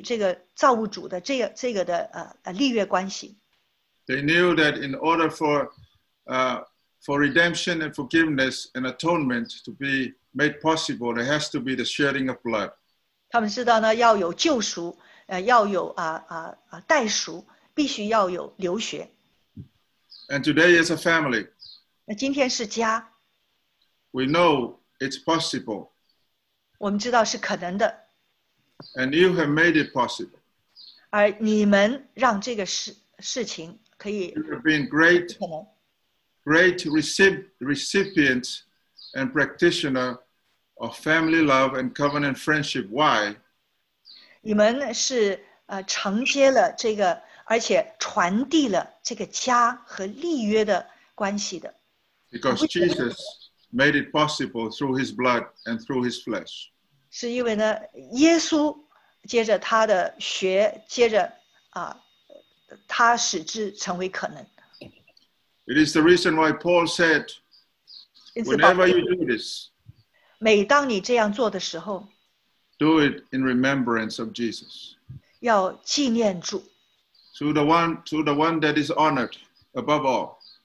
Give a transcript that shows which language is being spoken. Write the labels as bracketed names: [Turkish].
[Chinese] 所以在整个中东，他们借着这个献祭动物的血，希望再重新寻找这个家的爱，还有恢复与这个造物主的这个立约关系。 [English] They knew that in order for redemption and forgiveness and atonement to be made possible, there has to be the shedding of blood. [Chinese] 他们知道呢，要有救赎，要有代赎，必须要有流血。 [English] And today as a family, [Chinese] 那今天是家, [English] we know it's possible. [Chinese] 我们知道是可能的, [English] and you have made it possible. [Chinese] 而你们让这个事情可以, [English] you have been great recipients and practitioner of family love and covenant friendship. Why? [Chinese] 你们是承接了这个 而且传递了这个家和立约的关系的。 [English] Because Jesus made it possible through his blood and through his flesh. [Chinese] 是因为呢，耶稣接着他的血，接着他使之成为可能。 [English] It is the reason why Paul said, whenever you do this, [Chinese] 每当你这样做的时候, [English] do it in remembrance of Jesus. [Chinese] 要纪念主。 [English] To the one that is honored above all.